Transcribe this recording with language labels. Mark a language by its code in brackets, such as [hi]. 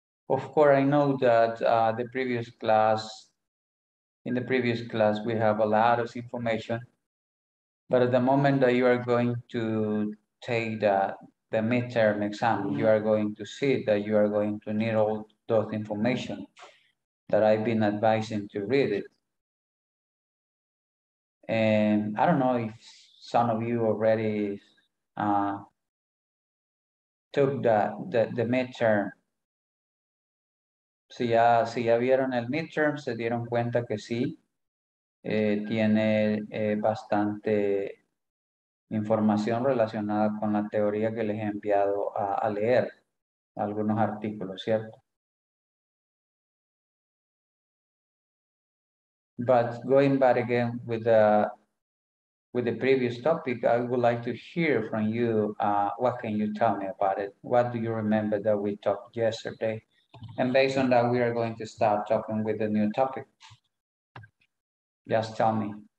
[en] Of course, I know that in the previous class, we have a lot of information, but at the moment that you are going to take the midterm exam, you are going to see that you are going to need all those information that I've been advising to read it. And I don't know if some of you already took the midterm. [es] Si ya vieron el midterm, se dieron cuenta que sí, tiene bastante información relacionada con la teoría que les he enviado a leer algunos artículos, ¿cierto? [en] But going back again with the previous topic, I would like to hear from you, what can you tell me about it? What do you remember that we talked yesterday? And based on that, we are going to start talking with a new topic. Just tell me.